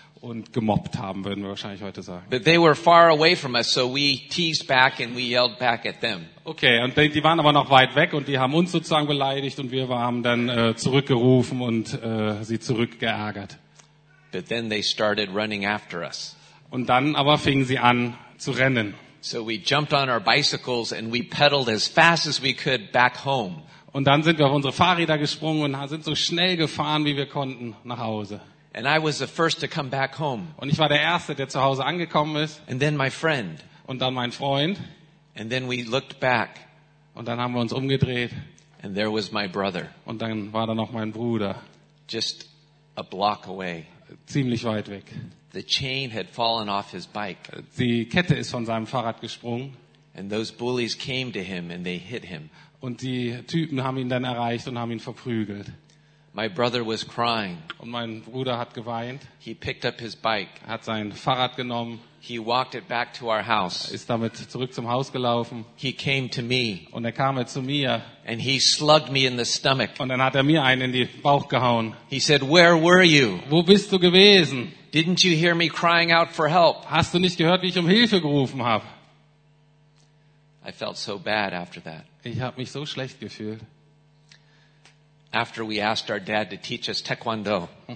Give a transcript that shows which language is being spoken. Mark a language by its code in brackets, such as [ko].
[de] und gemobbt haben, würden wir wahrscheinlich heute sagen. [en] But they were far away from us, so we teased back and we yelled back at them. [de] Okay, und die waren aber noch weit weg und die haben uns sozusagen beleidigt und wir haben dann zurückgerufen und sie zurückgeärgert. [en] But then they started running after us. [de] Und dann aber fingen sie an zu rennen. [en] So we jumped on our bicycles and we pedaled as fast as we could back home. [de] Und dann sind wir auf unsere Fahrräder gesprungen und sind so schnell gefahren, wie wir konnten, nach Hause. [en] And I was the first to come back home. [de] Und ich war der Erste, der zu Hause angekommen ist. [en] And then my friend. [de] Und dann mein Freund. [en] And then we looked back. [de] Und dann haben wir uns umgedreht. [en] And there was my brother. [de] Und dann war da noch mein Bruder. [en] Just a block away. [de] Ziemlich weit weg. [en] The chain had fallen off his bike. [de] Die Kette ist von seinem Fahrrad gesprungen. [en] And those bullies came to him and they hit him. [de] Und die Typen haben ihn dann erreicht und haben ihn verprügelt. [en] My brother was crying. [de] Und mein Bruder hat geweint. [en] He picked up his bike. [de] Hat sein Fahrrad genommen. [en] He walked it back to our house. [de] Ist damit zurück zum Haus gelaufen. [en] He came to me. [de] Und kam zu mir. [en] And he slugged me in the stomach. [de] Und dann hat mir einen in den Bauch gehauen. [en] He said, "Where were you? [de] Wo bist du gewesen? [en] Didn't you hear me crying out for help?" [de] Hast du nicht gehört, wie ich Hilfe gerufen habe? [en] I felt so bad after that. [de] Ich habe mich so schlecht gefühlt. [en] After we asked our dad to teach us Taekwondo.